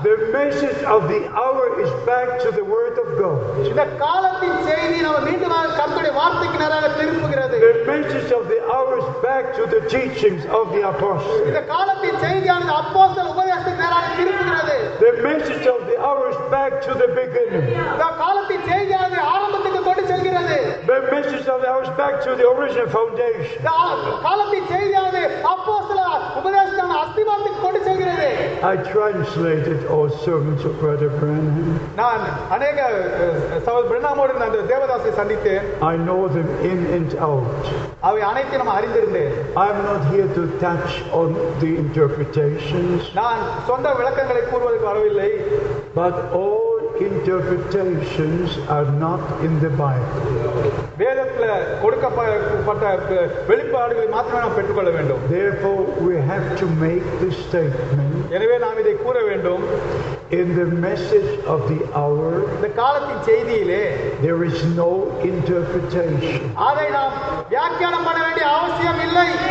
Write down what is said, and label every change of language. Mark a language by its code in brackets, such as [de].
[en] The message of the hour is back to the word of God. [ta] இந்த காலத்தின் செய்தி நாம் மீண்டும் கர்த்தருடைய வார்த்தைக்கு நேராக திரும்புகிறது. [en] The message of the hour is back to the teachings of the apostles. [ta] இந்த காலத்தின் செய்தியானது அப்போஸ்தல உபதேசத்துக்கு நேராக திரும்புகிறது. [en] The message of the hour is back to the beginning. [ta] இந்த காலத்தின் செய்தியானது ஆரம்பத்துக்கு கொண்டு செல்கிறது. [en] The message of the hour is back to the original foundation. [ta] இந்த காலத்தின் செய்தியானது அப்போஸ்தல உபதேசத்தின் அஸ்திவாரத்துக்கு கொண்டு செல்கிறது. [en] I translated all sermons of Brother Branham. [ta] நான் அநேக சகோதர பிரணாமோடு அந்த தேவதாசியை சந்தித்தேன். [en] I know them in and out. [ta] அவை அனைத்தையும் அறிந்திருந்தேன். [en] I am not here to touch on the interpretations. [ta] நான் சொந்த விளக்கங்களை கூறுவதற்கு வரவில்லை. [en] But all interpretations are not in the Bible. [ta] வேதத்திலே கொடுக்கப்பட்ட வெளிப்பாடுகளை மாத்திரமே நாம் பெற்றுக்கொள்ள வேண்டும். [en] Therefore we have to make this statement. [ta] எனவே நாம் இதை கூற வேண்டும். [en] In the message of the hour, [ta] இந்த காலத்தின் செய்தியிலே, [en] there is no interpretation. [ta] அதை நாம் வியாக்கியானம் பண்ண வேண்டிய அவசியம் இல்லை.